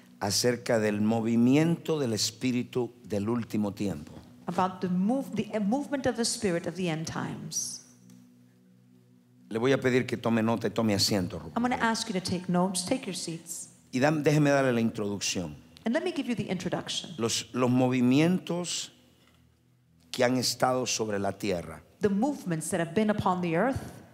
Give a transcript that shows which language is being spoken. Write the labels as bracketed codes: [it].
[es] Acerca del movimiento del Espíritu del último tiempo. [en] About the movement of the Spirit of the end times. [es] Le voy a pedir que tome nota y tome asiento. [en] I'm going to ask you to take notes, take your seats. [es] Y déjeme darle la introducción. [en] And let me give you the introduction. [es] Los movimientos que han estado sobre la tierra. [en] The movements that have been upon the earth.